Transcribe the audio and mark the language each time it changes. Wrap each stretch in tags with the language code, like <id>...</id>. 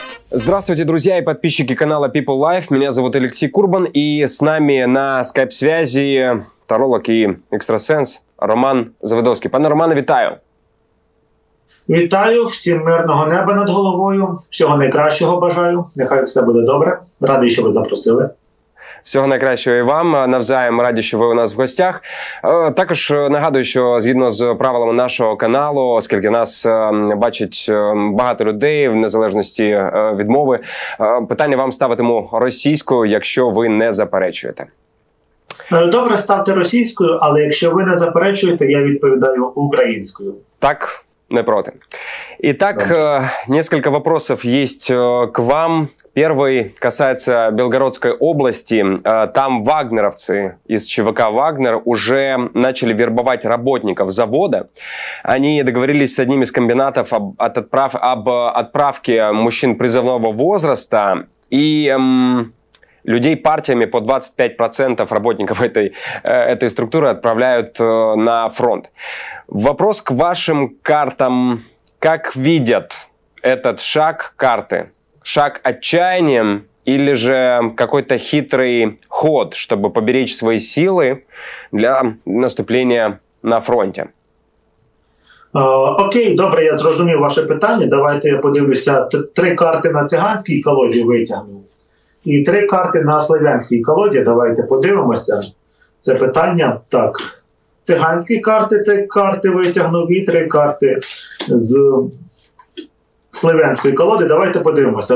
<ru>Здравствуйте, друзья и подписчики канала People Life. Меня зовут Алексей Курбан, и с нами на скайп-связи таролог и экстрасенс Роман Заводовский.</ru> <uk>Пане Романе, вітаю. Вітаю, всім мирного неба над головою, всього найкращого бажаю, нехай все буде добре, радий, що ви запросили. Всього найкращого і вам, навзаєм раді, що ви у нас в гостях. Також нагадую, що згідно з правилами нашого каналу, оскільки нас бачить багато людей в незалежності від мови, питання вам ставитиму російською, якщо ви не заперечуєте. Добре, ставте російською, але якщо ви не заперечуєте, я відповідаю українською. Так. Не проти.</uk> <ru>Итак, несколько вопросов есть к вам. Первый касается Белгородской области. Там вагнеровцы из ЧВК «Вагнер» уже начали вербовать работников завода. Они договорились с одним из комбинатов об отправке мужчин призывного возраста и людей партиями по 25% работников этой структуры отправляют на фронт. Вопрос к вашим картам. Как видят этот шаг карты? Шаг отчаянием или же какой-то хитрый ход, чтобы поберечь свои силы для наступления на фронте?</ru> <uk>Окей, добре, я зрозумів ваше питання. Давайте я подивлюся. Три карти на циганській колоді витягну. І три карти на слов'янській колоді. Давайте подивимося це питання. Так. Циганські карти, три карти витягнув, і три карти з слов'янської колоди. Давайте подивимося.</uk>